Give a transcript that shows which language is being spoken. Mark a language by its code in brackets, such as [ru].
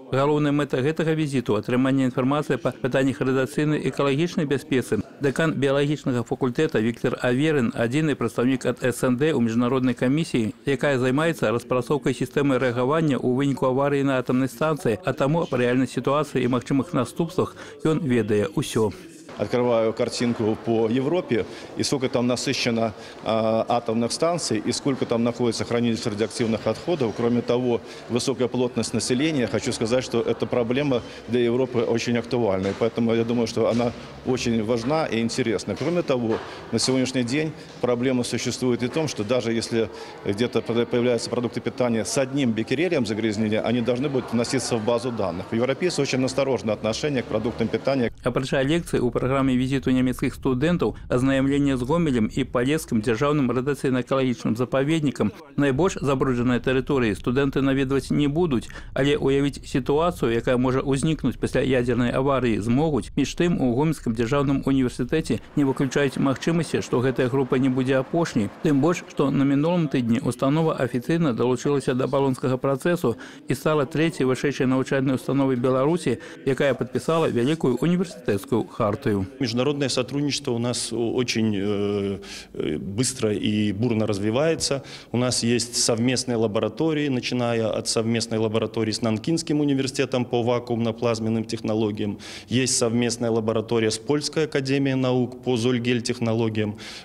[be] Галоўная мэта гэтага візіту – атрыманне інфармацыі па пытаннях радыяцыйнай і экалагічнай бяспецы. Дэкан біялагічнага факультэта Віктор Аверын – адзіны прадстаўнік ад СНД ў міжнароднай камісіі, якая займаецца распрацоўкай сістэмы рэагавання ў выніку аварыі на атамнай станцыі, а таму па рэальнай сітуацыі і магчымых наступствах ён ведае ўсё. [ru] Открываю картинку по Европе, и сколько там насыщено атомных станций, и сколько там находится хранилищ радиоактивных отходов. Кроме того, высокая плотность населения, хочу сказать, что эта проблема для Европы очень актуальна. И поэтому я думаю, что она очень важна и интересна. Кроме того, на сегодняшний день проблема существует и в том, что даже если где-то появляются продукты питания с одним бекерелем загрязнения, они должны будут вноситься в базу данных. Европейцы очень осторожны отношение к продуктам питания. [be] Апрача лекции у праграме візіту нямецкіх студэнтаў, азнаямленне з Гомелем і Палескім дзяржаўным радыяцыйна-экалагічным запаведнікам. Найбольш забруджаныя тэрыторыі студэнты наведваць не будуць, але уявіць сітуацыю, якая можа ўзнікнуць пасля ядзернай аварыі, змогуць. Між тым, у Гомельскім дзяржаўным універсітэце не выключаюць магчымасці, што гэтая група не будзе апошняй. Тым больш, што на мінулым тыдні установа афіцыйна далучылася да балонскага працэсу і стала трэцяй вышэйшай навучальнай установай Беларусі, якая падпісала вялікую універсітэцкую хартыю. [ru] Международное сотрудничество у нас очень быстро и бурно развивается. У нас есть совместные лаборатории, начиная от совместной лаборатории с Нанкинским университетом по вакуумно-плазменным технологиям. Есть совместная лаборатория с Польской академией наук по Зольгель технологиям.